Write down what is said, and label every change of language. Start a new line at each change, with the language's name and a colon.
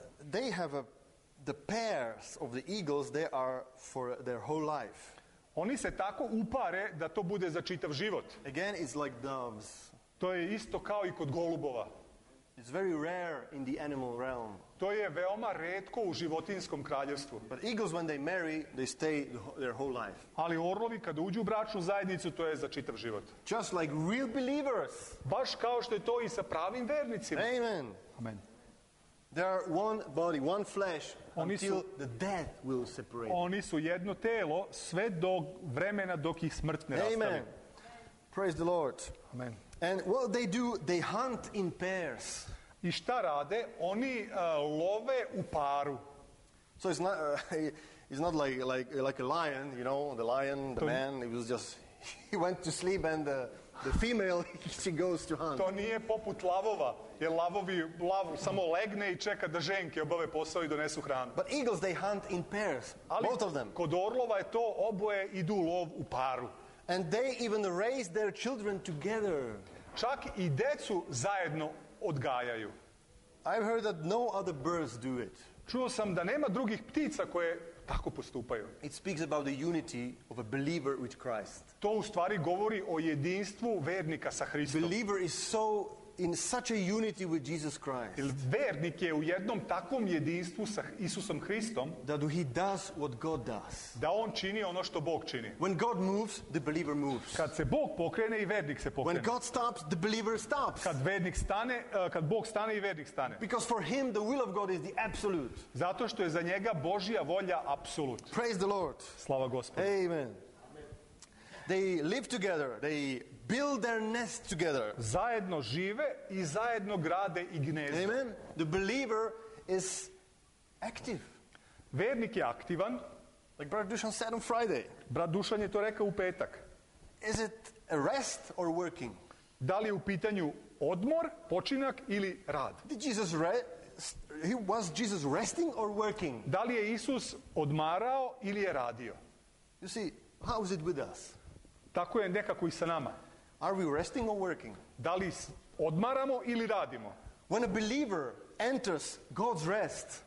English: they have a the pairs of the eagles, they are for their whole life.
Serbian: Oni se tako upare da to bude za čitav život.
English: Again, it's like doves.
Serbian: To je isto kao i kod golubova.
English: It's very rare in the animal realm.
Serbian: To je veoma retko u životinskom kraljevstvu.
English: But eagles, when they marry, they stay their whole life.
Serbian: Ali orlovi kada uđu u bračnu zajednicu, to je za čitav život.
English: Just like real believers.
Serbian: Baš kao što je to i sa pravim vernicima.
English: Amen.
Serbian: Amen.
English: They are one body, one flesh, until the death will separate.
Serbian: Oni su jedno telo sve do vremena dok ih smrt ne rastavi.
English: Amen. Praise the Lord.
Serbian: Amen.
English: And what they do, they hunt in pairs.
Serbian: I šta rade? Oni love u paru.
English: So it's not like a lion, you know, the lion, the to man, it was just, he went to sleep and the female, she goes to hunt.
Serbian: To nije poput lavova, jer lavovi lav samo legne i čeka da ženke obave posao i donesu hranu.
English: But eagles, they hunt in pairs,
Serbian: ali
English: both of them.
Serbian: Kod orlova je to, oboje idu lov u paru.
English: And they even raise their children together.
Serbian: Čak i decu zajedno odgajaju.
English: I've heard that no other birds do it.
Serbian: Čuo sam da nema drugih ptica koje tako postupaju.
English: It speaks about the unity of a believer with Christ.
Serbian: To u stvari govori o jedinstvu vernika sa Hristom.
English: Believer is so in such a unity with Jesus Christ.
Serbian: Vernik je u jednom takvom jedinstvu sa Isusom Hristom
English: that he does what God does.
Serbian: Da on čini ono što Bog čini.
English: When God moves, the believer moves.
Serbian: Kad se Bog pokrene i vernik se pokrene.
English: When God stops, the believer stops.
Serbian: Kad vernik stane, kad Bog stane i vernik stane.
English: Because for him the will of God is the absolute.
Serbian: Zato što je za njega Božja volja apsolut.
English: Praise the Lord.
Serbian: Slava Gospodu.
English: Amen. They live together. They build their nest together.
Serbian: Zajedno žive i zajedno grade i gnezdo.
English: Amen. The believer is active.
Serbian: Vernik je aktivan.
English: Like Brother Dušan said on Friday.
Serbian: Brat Dušan je to rekao u petak.
English: Is it a rest or working?
Serbian: Da li je u pitanju odmor, počinak ili rad?
English: Did Jesus was Jesus resting or working?
Serbian: Da li je Isus odmarao ili je radio?
English: You see, how is it with us?
Serbian: Tako je nekako i sa nama.
English: Are we resting or working?
Serbian: Da li odmaramo ili radimo?
English: When a believer enters God's rest,